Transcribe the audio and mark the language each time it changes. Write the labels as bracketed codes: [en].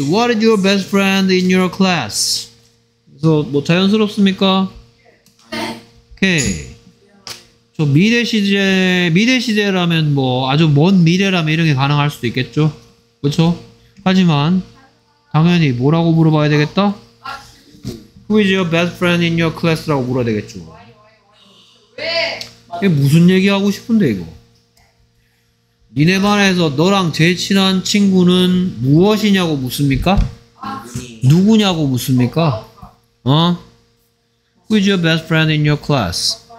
[en] What is your best friend in your class? [ko] 그래서 뭐 자연스럽습니까? 네. 오케이. 저 미래 시제라면 뭐 아주 먼 미래라면 이런 게 가능할 수도 있겠죠. 그렇죠? 하지만 당연히 뭐라고 물어봐야 되겠다. [en] Who is your best friend in your class?라고 [ko] 물어야 되겠죠. 왜? 이게 무슨 얘기 하고 싶은데 이거? 니네 반에서 너랑 제일 친한 친구는 무엇이냐고 묻습니까? 누구냐고 묻습니까? 어? [en] Who is your best friend in your class?